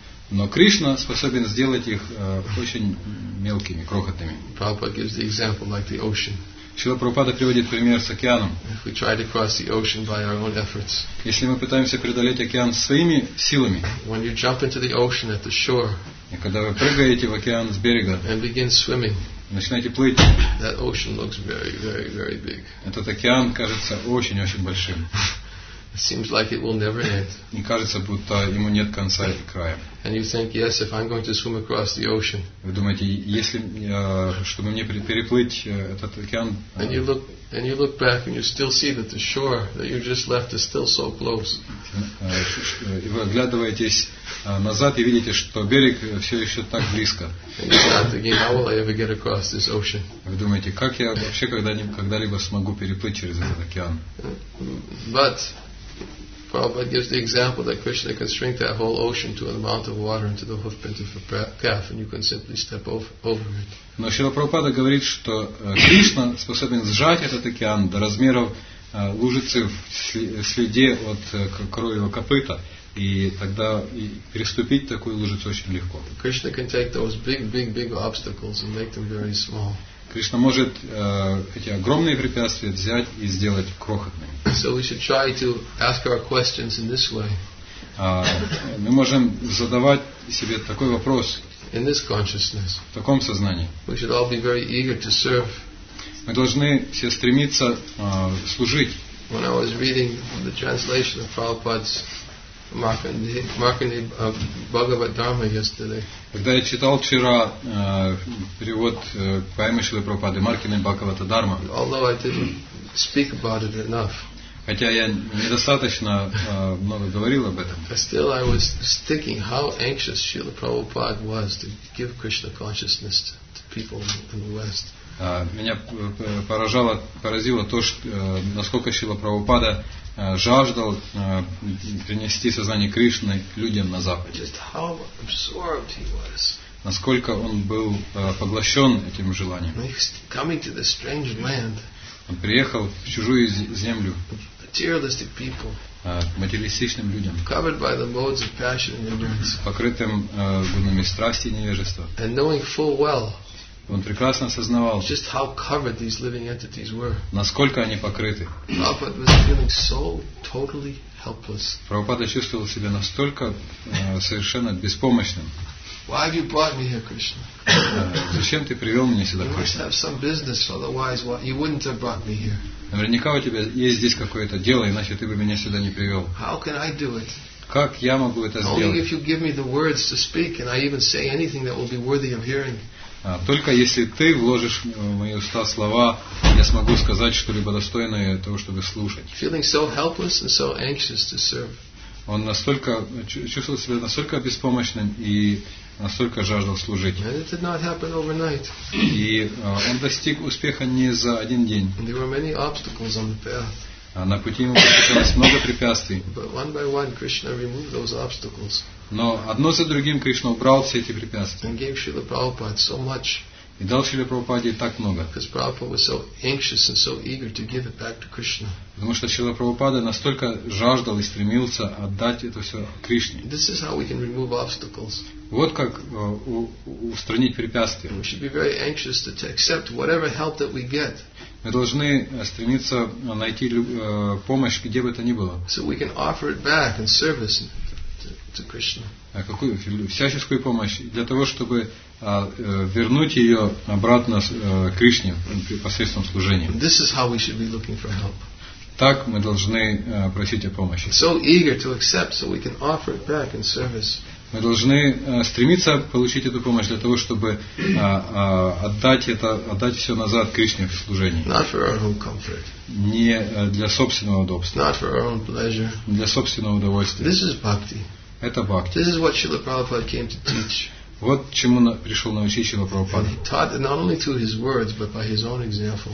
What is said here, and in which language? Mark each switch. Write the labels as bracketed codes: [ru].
[ru] Но Кришна способен сделать их очень мелкими, крохотными. [en] Prabhupada gives the example like the ocean. [ru] Шрила Прабхупада приводит пример с океаном. [en] If we try to cross the ocean by our own efforts, [ru] если мы пытаемся преодолеть океан своими силами, [en] when you jump into the ocean at the shore, [ru] и когда вы прыгаете в океан с берега, [en] and begin swimming, [ru] начинаете плыть, [en] that ocean looks very, very, very big. [ru] Этот океан кажется очень-очень большим. [en] It seems like it will never end. [ru] И кажется, будто ему нет конца и края. [en] And you think, yes, if I'm going to swim across the ocean. [ru] Вы думаете, если чтобы мне переплыть этот океан? [en] And you look back, and you still see that the shore that you just left is still so close. [ru] И вы оглядываетесь назад и видите, что берег все еще так близко. [en] And you start thinking, how will I ever get across this ocean? [ru] Вы думаете, как я вообще когда-либо смогу переплыть через этот океан? [en] But Prabhupada gives the example that Krishna can shrink that whole ocean to an amount of water into the hoofprint of a calf, and you can simply step over it. [ru] Но Шрила Прабхупада говорит, что Кришна способен сжать этот океан до размеров лужицы в следе от коровьего копыта, и тогда переступить такую лужицу очень легко. [en] Krishna can take those big obstacles and make them very small. [ru] Кришна может эти огромные препятствия взять и сделать крохотными. [en] So we should try to ask our questions in this way. [ru] Мы можем задавать себе такой вопрос. [en] In this consciousness. [ru] В таком сознании. [en] We should all be very eager to serve. [ru] Мы должны все стремиться служить. [en] When I was reading the translation of Prabhupada's Markandeya Bhagavad Dharma yesterday. [ru] Когда я читал вчера перевод поэмы Шрилы Прабхупады Маркандея Бхагавата Дхарма. [en] Although I didn't speak about it enough. [ru] Хотя я недостаточно много говорил об этом. [en] Still I was thinking how anxious Srila Prabhupada was to give Krishna consciousness to people in the West. [ru] Меня поразило то, что, насколько Шрила Прабхупада жаждал принести сознание Кришны людям на Западе. [en] Just how absorbed he was. [ru] Насколько он был поглощен этим желанием. [en] Coming to this strange land. [ru] Он приехал в чужую землю. [en] Materialistic people. [ru] Материалистичным людям. [en] Covered by the modes of passion and ignorance. [ru] Покрытым гунами страсти и невежества. [en] And knowing full well. [ru] Он прекрасно осознавал, [en] just how covered these living entities were. [ru] Насколько они покрыты. [en] Prabhupada was feeling so totally helpless. [ru] Прабхупада чувствовал себя настолько совершенно беспомощным. [en] Why have you brought me here, Krishna? [ru] Зачем ты привел меня сюда, Кришна? [en] You must have some business, otherwise you wouldn't have brought me here. [ru] Наверняка у тебя есть здесь какое-то дело, иначе ты бы меня сюда не привел. [en] How can I do it? [ru] Как я могу это [en] Only [ru] сделать? [en] Only if you give me the words to speak, and I even say anything that will be worthy of hearing. [ru] Только если ты вложишь в мои уста слова, я смогу сказать что-либо достойное того, чтобы слушать. [en] Feeling so helpless and so anxious to serve. [ru] Он настолько чувствовал себя настолько беспомощным и настолько жаждал служить. [en] And it did not happen overnight. [ru] И он достиг успеха не за один день. [en] And there were many obstacles on the path. [ru] На пути ему встречалось много препятствий. [en] But one by one, Krishna removed those obstacles. [ru] Но одно за другим Кришна убрал все эти препятствия. [en] And gave Śrīla Prabhupāda so much. [ru] И дал Шриле Прабхупаде так много. [en] Because Prabhupada was so anxious and so eager to give it back to Krishna. [ru] Потому что Шрила Прабхупада настолько жаждал и стремился отдать это все Кришне. [en] This is how we can remove obstacles. [ru] Вот как устранить препятствия. [en] We should be very anxious to accept whatever help that we get. [ru] Мы должны стремиться найти помощь, где бы то ни было. [en] So we can offer it back in service to Krishna. [ru] А какую всяческую помощь для того, чтобы вернуть ее обратно Кришне посредством служения. [en] This is how we should be looking for help. [ru] Так мы должны просить о помощи. [en] So eager to accept, so we can offer it back in service. [ru] Мы должны стремиться получить эту помощь для того, чтобы отдать все назад Кришне в служении. [en] Not for our own comfort. [ru] Не для собственного удобства. [en] Not for our own pleasure. [ru] Для собственного удовольствия. [en] This is bhakti. [ru] Это бхакти. [en] This is what Śrīla Prabhupāda came to teach. [ru] Вот чему пришел научить Śrīla Prabhupāda. [en] He taught not only through his words, but by his own example.